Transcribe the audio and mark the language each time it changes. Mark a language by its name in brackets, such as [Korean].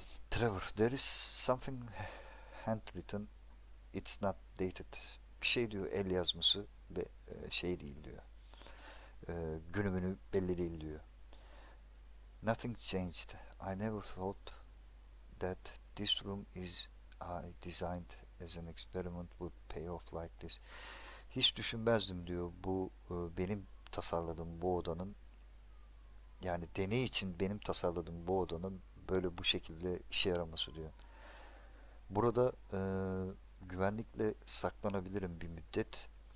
[English] Trevor, there is something handwritten. It's not dated. [Turkish] Bir şey diyor el yazması ve şey değil diyor. Günümünü belli değil diyor. [English] Nothing changed. I never thought that this room is designed as an experiment would pay off like this. [Turkish] Hiç düşünmezdim diyor. Bu benim tasarladığım bu odanın yani deney için benim tasarladığım bu odanın böyle bu şekilde işe yaraması diyor. Burada güvenlikle saklanabilirim bir müddet.